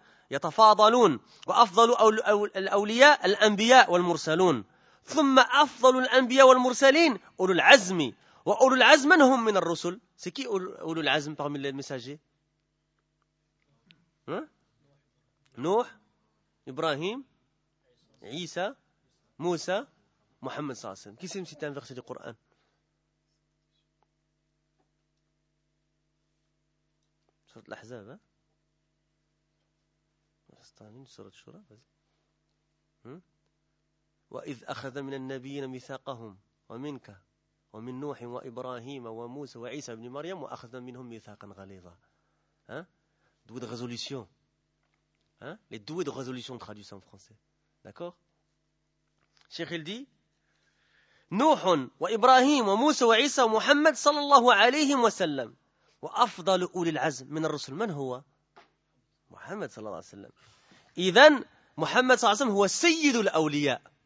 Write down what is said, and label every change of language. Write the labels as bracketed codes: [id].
[ar] يتفاضلون وأفضل الأولياء الأنبياء والمرسلون ثم أفضل الأنبياء والمرسلين أولو العزم وأولو العزم هم من الرسل. [fr] C'est qui Oulou l'Azm parmi les messagers? Nuh, Ibrahim, Isa, Moussa, Mohammed Sassim. Qui s'est cité un verset du Coran? Surat l'Ahzab, hein? [ar] Surat Shura, [fr] vas-y. [ar] Wa idh akhadha minan nabiyyina mithaqahum wa minka. ومن نوح وإبراهيم وموسى وعيسى بن مريم وأخذ منهم ميثاقا غليظا. [fr] Doué de résolution. Les doués de résolution traduits en français. D'accord. Cheikh il dit, [ar] نوح وإبراهيم وموسى وعيسى ومحمد صلى الله عليه وسلم وأفضل أولي العزم من الرسل. من هو؟ محمد صلى الله عليه وسلم. إذن محمد صلى الله عليه وسلم هو سيد الأولياء.